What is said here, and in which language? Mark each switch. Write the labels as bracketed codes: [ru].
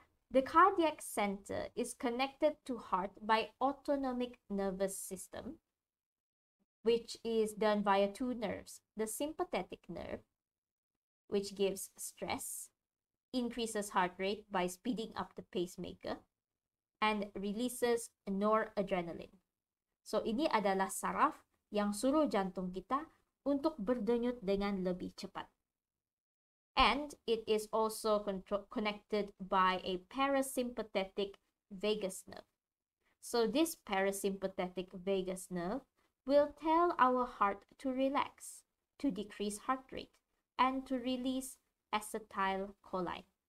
[en] The cardiac center is connected to heart by autonomic nervous system, which is done via two nerves. The sympathetic nerve, which gives stress, increases heart rate by speeding up the pacemaker, and releases noradrenaline. [ms] So ini adalah saraf yang suruh jantung kita untuk berdenyut dengan lebih cepat. [en] And it is also connected by a parasympathetic vagus nerve. So this parasympathetic vagus nerve will tell our heart to relax, to decrease heart rate, and to release acetylcholine.